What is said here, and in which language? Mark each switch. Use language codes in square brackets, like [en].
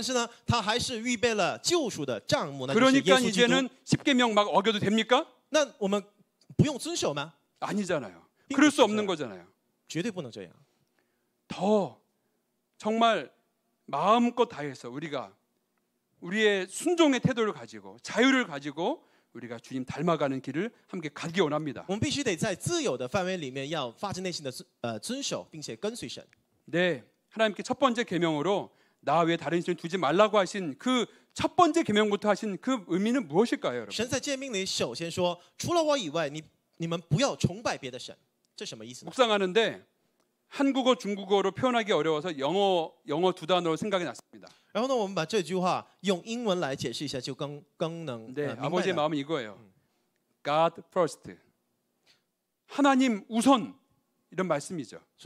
[zh] 神当然知道了这一点我们要失败神都知道了但是呢他还是预备了救赎的帐幕那 [ko] 그러니까 이제는 십계명 막 어겨도 됩니까? [zh] 那我们不用遵守吗? [ko] 아니잖아요. 그럴 수 없는 거잖아요. [zh] 绝对不能这样. [ko] 더 정말 마음껏 다해서 우리가 우리의 순종의 태도를 가지고 자유를 가지고 우리가 주님 닮아가는 길을 함께 가기 원합니다. [zh] 我们必须得在自由的范围里面要发自内心的遵守并且跟随神. [ko] 네, 하나님께 첫 번째 계명으로 나 외에 다른 신을 두지 말라고 하신 그 첫 번째 계명부터 하신 그 의미는 무엇일까요, 여러분? [zh] 神在诫命里首先说，除了我以外，你们不要崇拜别的神。这什么意思? [ko] 묵상하는데 한국어 중국어로 표현하기 어려워서 영어 두 단어로 생각이 났습니다. [zh] 然后呢，我们把这句话用英文来解释一下，就更能 [ko] 네, 아버지의 마음은 이거예요. [en] God first. [ko] 하나님 우선 이런 말씀이죠.